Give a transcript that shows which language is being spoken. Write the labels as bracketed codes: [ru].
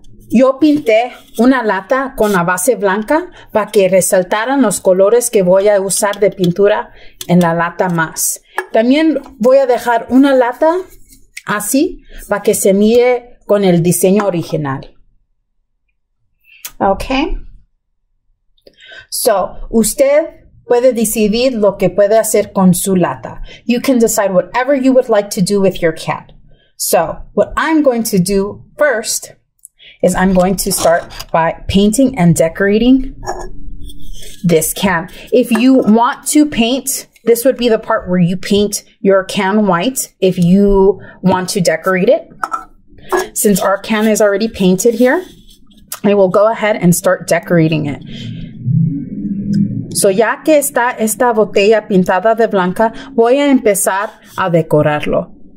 [es] Yo pinté una lata con la base blanca para que resaltaran los colores que voy a usar de pintura en la lata más. También voy a dejar una lata así para que se mire con el diseño original. [en] Okay. [es] So, usted puede decidir lo que puede hacer con su lata. [en] You can decide whatever you would like to do with your can. So, what I'm going to do first is I'm going to start by painting and decorating this can. If you want to paint, this would be the part where you paint your can white if you want to decorate it. Since our can is already painted here, I will go ahead and start decorating it. [es] So, ya que está esta botella pintada de blanca, voy a empezar a decorarlo.